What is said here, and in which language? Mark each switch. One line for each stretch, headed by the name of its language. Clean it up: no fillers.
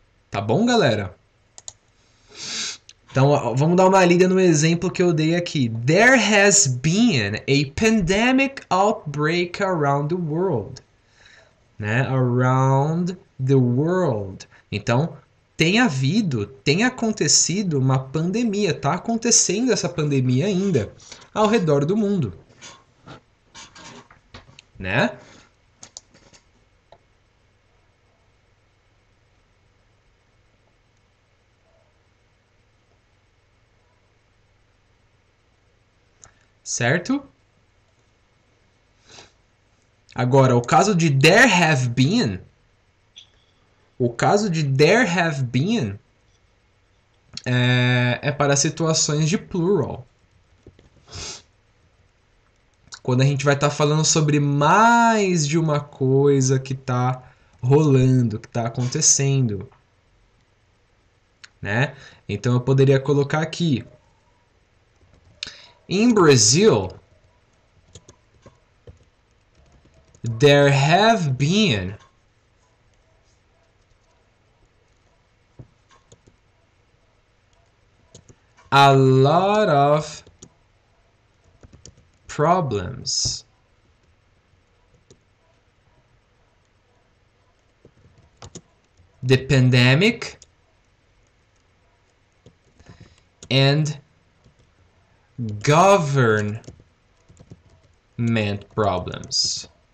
Portuguese: Tá bom, galera? Então, vamos dar uma lida no exemplo que eu dei aqui.
English: There has been a pandemic outbreak around the world. Né? Around the world.
Portuguese: Então, tem havido, tem acontecido uma pandemia. Tá acontecendo essa pandemia ainda ao redor do mundo. Né? Certo? Agora, o caso de
English: there have been,
Portuguese: o caso de there have been é para situações de plural. Quando a gente vai estar falando sobre mais de uma coisa que está rolando, que está acontecendo, né? Então, eu poderia colocar aqui.
English: In Brazil, there have been a lot of problems the pandemic and government problems.